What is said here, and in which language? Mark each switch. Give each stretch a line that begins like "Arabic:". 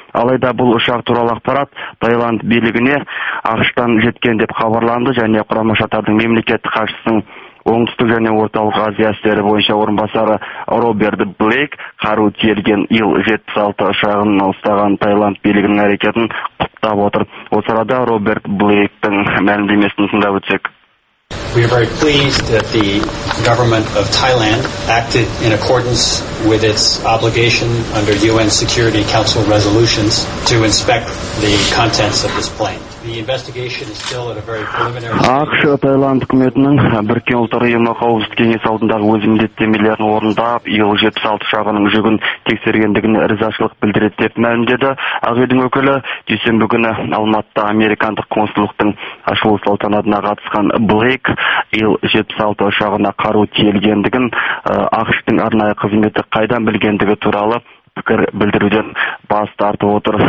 Kazakh: Алайда бұл ұшақ туралы ақпарат Таиланд билігіне ақшыдан жеткен деп хабарланды, және Құрама Штаттардың мемлекеттік хатшысының оңтүстік және орталық Азия істері бойынша орынбасары Роберт Блейк қару тиелген Ил-76 ұшағын ұстаған Таиланд билігінің әрекетін құптап отыр. Осы арада Роберт Блейктің мәлімдемесін тыңдап өтсек.
English: We are very pleased that the government of Thailand acted in accordance with its obligation under UN Security Council resolutions to inspect the contents of this plane. The investigation is still at a very preliminary stage.
Kazakh: ақш Таиланд үкіметінің Біріккен Ұлттар Ұйымы қауіпсіздік кеңесі алдындағы өз міндеттемелерін орындап, Ил-76 ұшағының жүгін тексергендігіне ризашылық білдіреді деп мәлімдеді Ақ үйдің өкілі. Дүйсенбі күні Алматыда американдық консулдықтың ашылу салтанатына қатысқан Блейк Ил-76 ұшағына қару тиелгендігін ақштың арнайы қызметі қайдан білгендігі туралы пікір білдіруден бас тартып отыр.